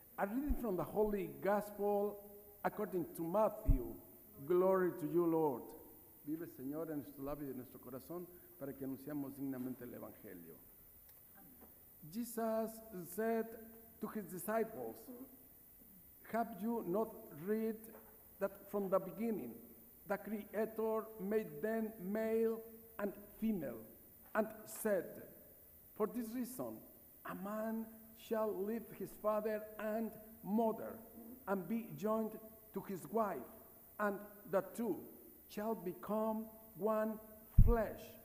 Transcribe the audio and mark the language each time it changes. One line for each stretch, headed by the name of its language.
English: A reading from the Holy Gospel according to Matthew. Glory to you, Lord.
Spanish: Vive, Señor, en nuestro labio y en nuestro corazón para que anunciamos dignamente el Evangelio.
English: Amen. Jesus said to his disciples, have you not read that from the beginning the Creator made them male and female and said, for this reason, a man shall leave his father and mother and be joined to his wife, and the two shall become one flesh.